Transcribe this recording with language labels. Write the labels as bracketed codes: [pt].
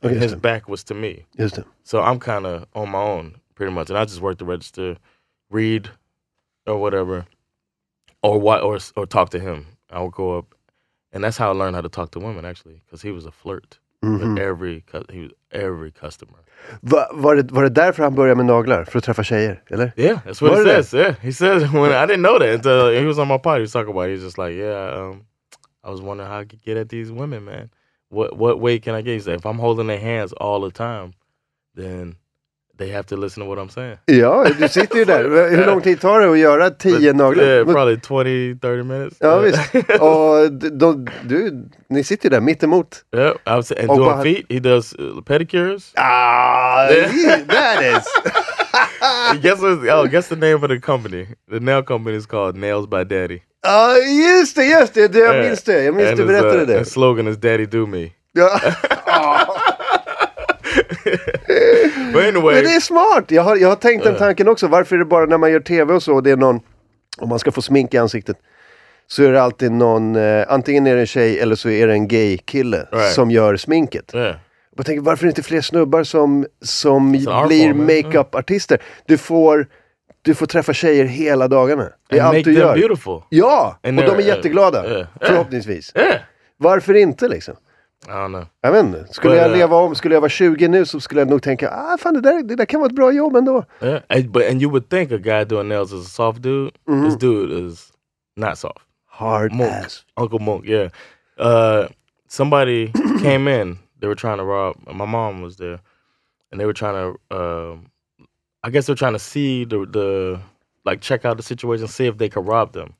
[en] And his back was to me. So I'm kind of on my own, pretty much. And I just work the register, read or whatever, or talk to him. I would go up. And that's how I learned how to talk to women, actually, because he was a flirt with every customer. [sv] Var det därför han började med naglar? För att träffa tjejer, eller? [en] Yeah, that's what he says. Yeah, he says, when I didn't know that until he was on my pod, he was talking about it. He's just like, yeah, I was wondering how I could get at these women, man. What way can I get? He's like, if I'm holding their hands all the time, then they have to listen to what I'm saying. [sv] Ja, du sitter ju där. Hur lång tid tar det att göra 10 naglar? [en] Yeah, probably 20-30 minutes. [sv] Ja, visst. Och ni sitter ju där mitt emot. [en] Yeah, I would say, and doing feet. He does pedicures. That is. guess the name of the company. The nail company is called Nails by Daddy. [sv] Just det. Jag minns det. Jag minns du berättade det. [en] And the slogan is Daddy Do Me. Anyway. [sv] Men det är smart. Jag har tänkt den tanken också. Varför är det bara när man gör TV och så, det är någon, om man ska få smink i ansiktet, så är det alltid någon, antingen är det en tjej eller så är det en gay kille som gör sminket. [en] Yeah. [sv] Jag tänker, varför är det inte fler snubbar som blir makeup-artister? Du får träffa tjejer hela dagarna. Det är [en] and [sv] allt du gör. [en] Beautiful. [sv] Ja, and och de är jätteglada, förhoppningsvis. [en] Yeah. [sv] Varför inte liksom? Jag vet inte. Skulle jag vara 20 nu, så skulle jag nog tänka, fan, det där kan vara ett bra jobb ändå. [en] Yeah. And you would think a guy doing nails is a soft dude. This dude is not soft. Hard Monk. Ass. Uncle Monk, yeah. Somebody came in. They were trying to rob. My mom was there. And they were trying to, I guess they were trying to see the like, check out the situation, see if they could rob them.